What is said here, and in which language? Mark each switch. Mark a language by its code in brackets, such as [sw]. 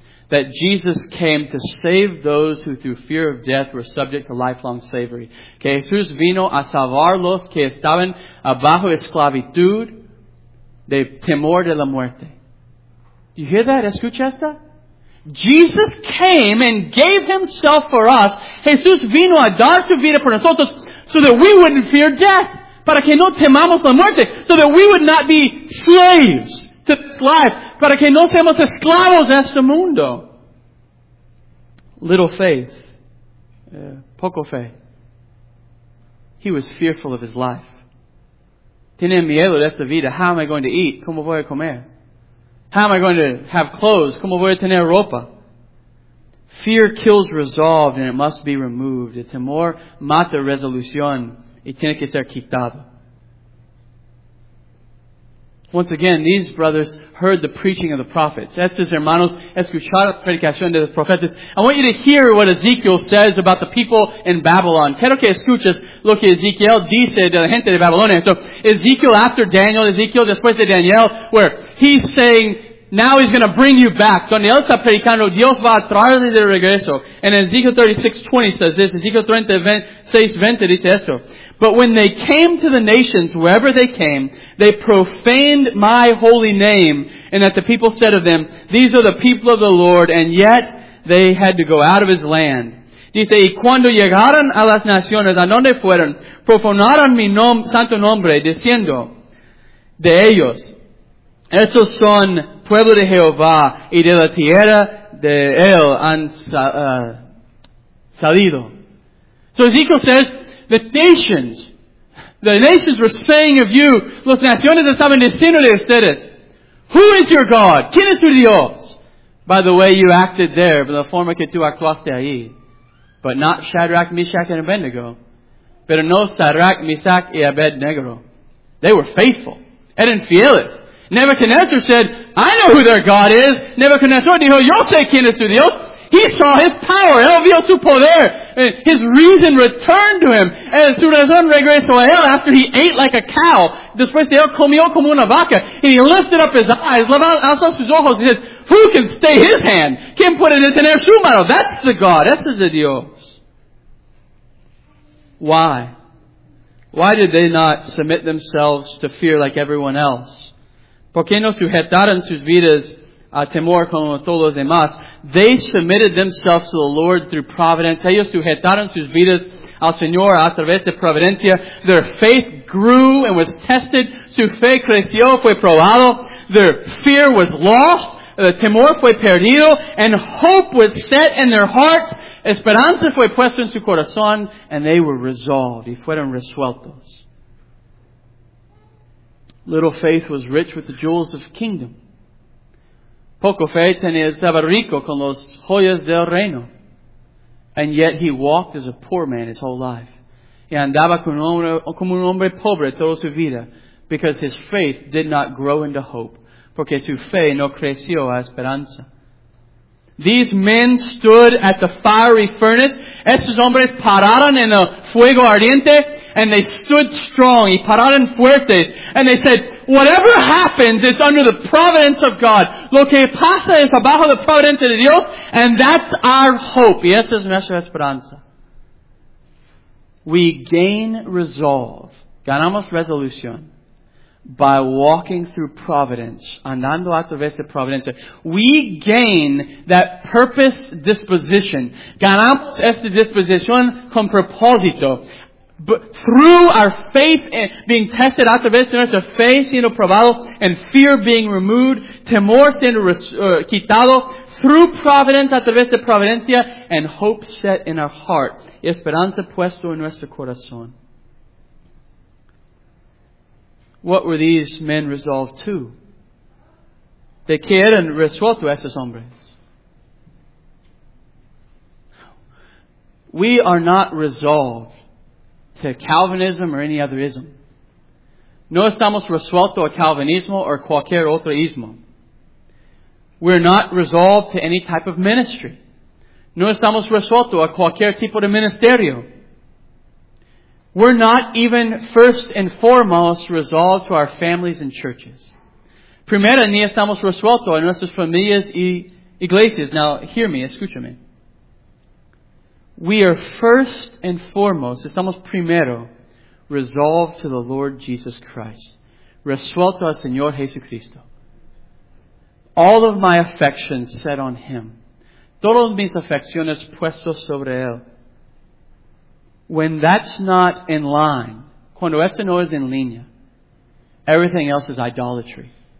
[en] That Jesus came to save those who through fear of death were subject to lifelong slavery. [es] Que Jesús vino a salvar los que estaban bajo esclavitud de temor de la muerte. [en] Do you hear that? [es] Escucha esta. [en] Jesus came and gave himself for us. [es] Jesús vino a dar su vida por nosotros [en] so that we wouldn't fear death. [es] Para que no temamos la muerte. [en] So that we would not be slaves to this life. [es] Para que no seamos esclavos de este mundo. Little faith. Poco fe. [en] He was fearful of his life. [es] Tiene miedo de esta vida. [en] How am I going to eat? [es] ¿Cómo voy a comer? [en] How am I going to have clothes? [es] ¿Cómo voy a tener ropa? [en] Fear kills resolve and it must be removed. [es] El temor mata resolución y tiene que ser quitado. [en] Once again, these brothers heard the preaching of the prophets. [es] Estos hermanos escucharon la predicación de los profetas. [en] I want you to hear what Ezekiel says about the people in Babylon. [es] Quiero que escuches lo que Ezekiel dice de la gente de Babilonia. [en] So, Ezekiel after Daniel, Ezekiel [es] después de Daniel, [en] where he's saying, now he's going to bring you back. [es] Donde él está predicando, Dios va a traerle de regreso. [en] And Ezekiel 36:20 says this. Ezekiel 36:20 [es] dice esto. [en] But when they came to the nations, wherever they came, they profaned my holy name, and that the people said of them, these are the people of the Lord, and yet they had to go out of his land. [es] Dice, y cuando llegaron a las naciones, a donde fueron, profanaron mi santo nombre, diciendo de ellos, estos son pueblo de Jehová, y de la tierra de él han salido. [en] So Ezekiel says, The nations were saying of you, [es] los naciones estaban diciendo de ustedes, [en] who is your God? [es] ¿Quién es tu Dios? [en] By the way you acted there, by the [es] forma que tú actuaste ahí. [en] But not Shadrach, Meshach, and Abednego. [es] Pero no Shadrach, Meshach, y Abednego. [en] They were faithful. [es] Eran fieles. [en] Nebuchadnezzar said, I know who their God is. [es] Nebuchadnezzar dijo, yo sé quién es tu Dios. [en] He saw his power. [es] Él vio su poder. [en] His reason returned to him. And [es] su razón regresó a él [en] after he ate like a cow. [es] Después de él comió como una vaca. [en] And he lifted up his eyes, [es] alzó sus ojos. [en] He said, who can stay his hand? [es] ¿Quién puede detener su mano? [en] That's the God. [es] Ese es el Dios. [en] Why? Why did they not submit themselves to fear like everyone else? [es] ¿Por qué no sujetaron sus vidas a temor como todos los demás? [en] They submitted themselves to the Lord through providence. [es] Ellos sujetaron sus vidas al Señor a través de providencia. [en] Their faith grew and was tested. [es] Su fe creció, fue probado. [en] Their fear was lost. The [es] temor fue perdido. [en] And hope was set in their hearts. [es] Esperanza fue puesta en su corazón. [en] And they were resolved. [es] Y fueron resueltos. [en] Little faith was rich with the jewels of kingdom. [es] Poco fe tenía, estaba rico con los joyas del reino. [en] And yet he walked as a poor man his whole life. [es] Y andaba como un hombre pobre toda su vida. [en] Because his faith did not grow into hope. [es] Porque su fe no creció a esperanza. [en] These men stood at the fiery furnace. [es] Estos hombres pararon en el fuego ardiente. [en] And they stood strong. [es] Y pararon fuertes. [en] And they said, whatever happens, it's under the providence of God. [es] Lo que pasa es abajo la providencia de Dios. [en] And that's our hope. [es] Y esa es nuestra esperanza. [en] We gain resolve. [es] Ganamos resolución. [en] By walking through providence. [es] Andando a través de providencia. [en] We gain that purpose disposition. [es] Ganamos esta disposición con propósito. [en] But through our faith being tested, [es] a través de nuestra fe siendo probado, [en] and fear being removed, [es] temor siendo quitado, [en] through providence, [es] a través de providencia, [en] and hope set in our heart, [es] y esperanza puesto en nuestro corazón. [en] What were these men resolved to? [es] ¿De qué eran resueltos esos hombres? [en] We are not resolved to Calvinism or any other ism. [es] No estamos resueltos a Calvinismo or cualquier otro ismo. [en] We're not resolved to any type of ministry. [es] No estamos resueltos a cualquier tipo de ministerio. [en] We're not even first and foremost resolved to our families and churches. [es] Primero, ni estamos resueltos a nuestras familias y iglesias. [en] Now, hear me, [es] escúchame. [en] We are first and foremost, [es] estamos primero, [en] resolved to the Lord Jesus Christ. [es] Resuelto al Señor Jesucristo. [en] All of my affections set on Him. [es] Todas mis afecciones puestas sobre Él. [en] When that's not in line, [es] cuando eso no es en línea, [en] everything else is idolatry.